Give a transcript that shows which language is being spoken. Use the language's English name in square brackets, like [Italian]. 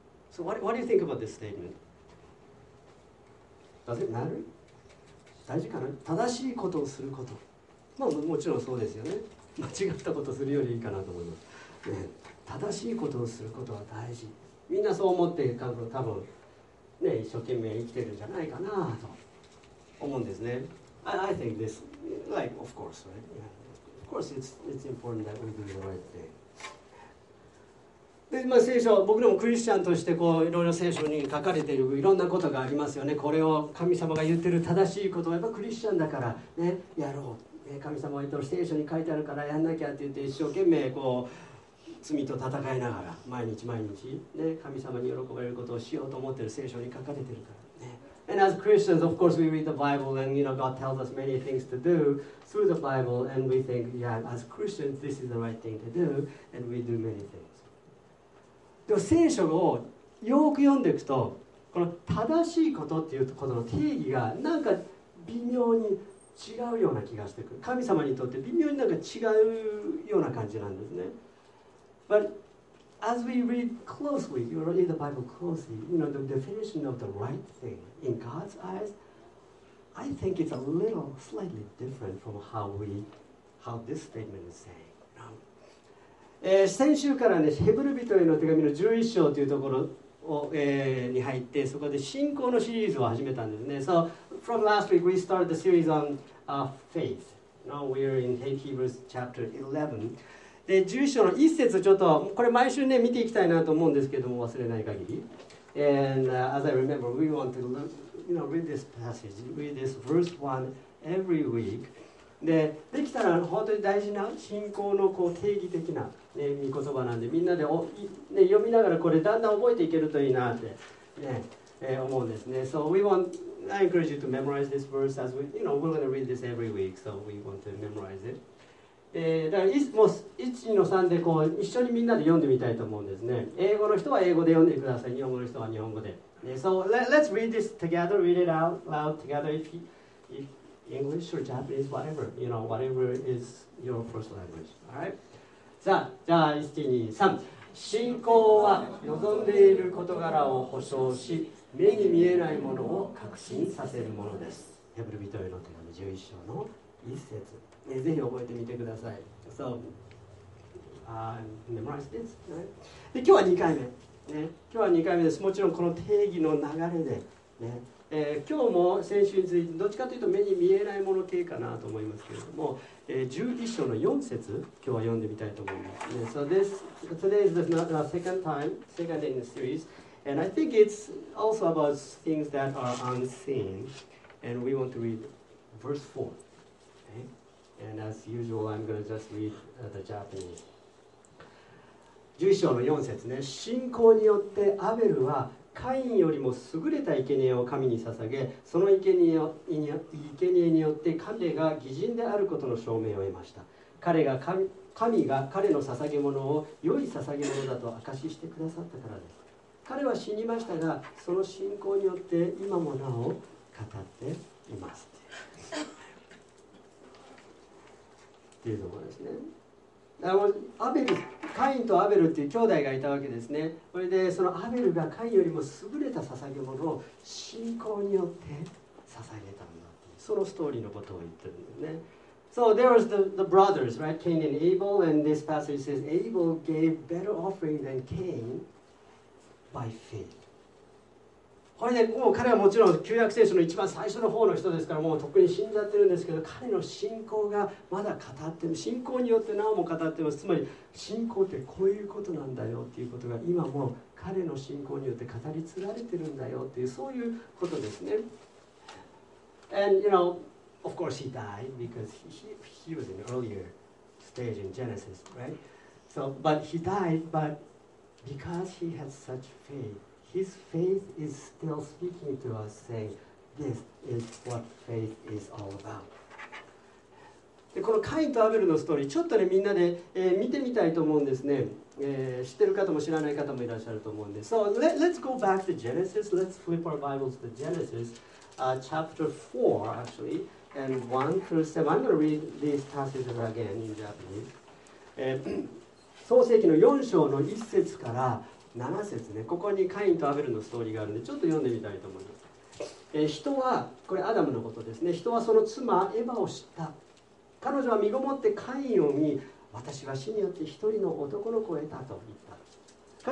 [English] So what do you think about this statement? Does it matter? [Japanese] 大事かな、正しいことをすること、まあ、もちろんそうですよね。間違ったことをするよりいいかなと思います、ね、正しいことをすることは大事、みんなそう思っていると多分、ね、一生懸命生きてるんじゃないかなと思うんですね。 [English] I think this, like, of course, right? Yeah. Of course, it's important that we do the right thing. [Japanese] でまあ、聖書、僕らもクリスチャンとしてこういろいろ聖書に書かれているいろんなことがありますよね。これを神様が言っている正しいことはやっぱりクリスチャンだから、ね、やろう、ね、神様が言っている聖書に書いてあるからやんなきゃって言って一生懸命こう罪と戦いながら毎日毎日、ね、神様に喜ばれることをしようと思っている、聖書に書かれているからね。 [English] And as Christians, of course, we read the Bible and you know, God tells us many things to do through the Bible and we think, yeah, as Christians, this is the right thing to do and we do many things. [Japanese] でも聖書をよく読んでいくと、この正しいことっていうことの定義がなんか微妙に違うような気がしてくる。神様にとって微妙になんか違うような感じなんですね。 [English] But as we read closely, you read the Bible closely, you know, the definition of the right thing in God's eyes, I think it's a little slightly different from how this statement is saying. [Japanese] 先週からね、ヘブル人への手紙の11章というところを、に入って、そこで信仰のシリーズを始めたんですね。 [English] So, from last week, we started the series on faith. Now we're in Hebrews chapter 11. [Japanese] で、11章の1節ちょっと、これ毎週ね、見ていきたいなと思うんですけども、忘れない限り。 [English] And as I remember, we want to look, you know, read this passage, read this verse 1 every week. [Japanese] で、 できたら本当に大事な信仰のこう定義的な、ね、御言葉なんで、みんなでお、ね、読みながらこれだんだん覚えていけるといいなって、ね、思うんですね。 [English] So we want, I encourage you to memorize this verse as we, you know, we're going to read this every week, so we want to memorize it. [Japanese] だから 1-3 でこう一緒にみんなで読んでみたいと思うんですね。英語の人は英語で読んでください。日本語の人は日本語で。 [English] ね、so let's read this together, read it out loud together if English or Japanese, whatever, you know, whatever is your first language. All right? [Japanese] さあ、じゃあ、1、2、3。信仰は望んでいる事柄を保証し、目に見えないものを確信させるものです。ヘブル人への手紙11章の1節。ぜひ覚えてみてください。 [English] So, memorize this, right? [Japanese] で、今日は2回目。ね、今日は2回目です。もちろんこの定義の流れで、ね。今日も先週についてどっちかというと目に見えないもの系かなと思いますけれども、11章の4節今日は読んでみたいと思います、ね、 [English] So this, today is the second time, second in the series, and I think it's also about things that are unseen, and we want to read verse 4, okay? And as usual, I'm going to just read the Japanese. [Japanese] 11章の4節ね、信仰によってアベルはカインよりも優れた生贄を神に捧げ、その生贄によって彼が義人であることの証明を得ました。彼が 神が彼の捧げ物を良い捧げ物だと証ししてくださったからです。彼は死にましたが、その信仰によって今もなお語っています。っていうところですね。アベル、カインとアベルっていう兄弟がいたわけですね。それでそのアベルがカインよりも優れた捧げ物を信仰によって捧げたんだっていう、そのストーリーのことを言ってるんですね。 [English] So there was the brothers, right? Cain and Abel, and this passage says Abel gave better offering than Cain by faith. [Japanese] これね、もう彼はもちろん旧約聖書の一番最初の方の人ですから、もう特に死んじゃってるんですけど、彼の信仰がまだ語ってる、信仰によってなおも語ってます。つまり信仰ってこういうことなんだよっていうことが今も彼の信仰によって語り継がれてるんだよっていう、そういうことですね。 [English] And you know, of course he died because he was an earlier stage in Genesis, right? So, but he died, but because he had such faith, his faith is still speaking to us, saying, this is what faith is all about. [Japanese] で、このカインとアベルのストーリー、ちょっとね、みんなで、見てみたいと思うんですね。知ってる方も知らない方もいらっしゃると思うんで。 [English] So, let's go back to Genesis. Let's flip our Bibles to Genesis, chapter 4, actually, and 1 through 7. I'm going to read these passages again in Japanese. [Japanese] 創世記の4章の1節から7節ね。ここにカインとアベルのストーリーがあるんで、ちょっと読んでみたいと思います。人は、これアダムのことですね。人はその妻、エヴァを知った。彼女は身ごもってカインを見、私は死によって一人の男の子を得たと言った。